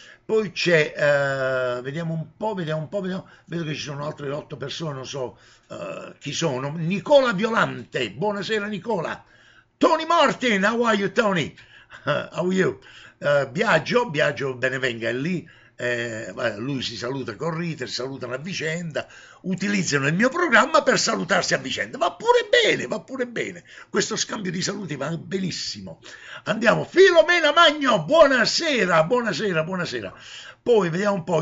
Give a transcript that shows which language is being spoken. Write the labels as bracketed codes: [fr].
[it] Poi c'è, vediamo un po', vediamo un po', vediamo, vedo che ci sono altre 8 persone, non so chi sono. Nicola Violante, buonasera Nicola. [en] Tony Martin, how are you Tony? How are you? Biagio Benevenga [it] è lì. Lui si saluta con Rita, si saluta a vicenda, utilizzano il mio programma per salutarsi a vicenda. Va pure bene, va pure bene. Questo scambio di saluti va benissimo. Andiamo, Filomena Magno, buonasera, buonasera, buonasera. Poi vediamo un po'.